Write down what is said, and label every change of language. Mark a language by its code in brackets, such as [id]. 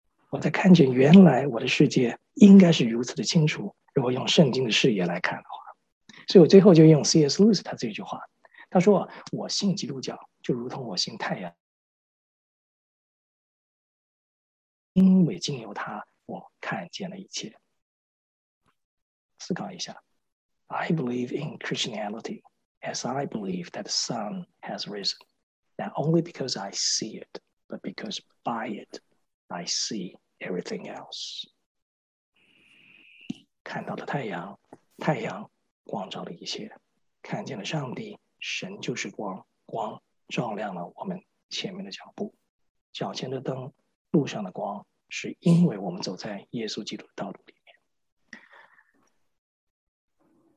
[zh] 我在看见原来我的世界应该是如此的清楚，如果用圣经的视野来看的话。所以我最后就用 C.S. Lewis 他这句话，他说：“我信基督教，就如同我信太阳，因为经由它，我看见了一切。 ” 思考一下：“ [en] I believe in Christianity as I believe that the sun has risen, not only because I see it, but because by it I see everything else。 [zh] 看到了太阳，太阳。” 光照了一切，看见了上帝，神就是光，光照亮了我们前面的脚步，脚前的灯，路上的光，是因为我们走在耶稣基督的道路里面。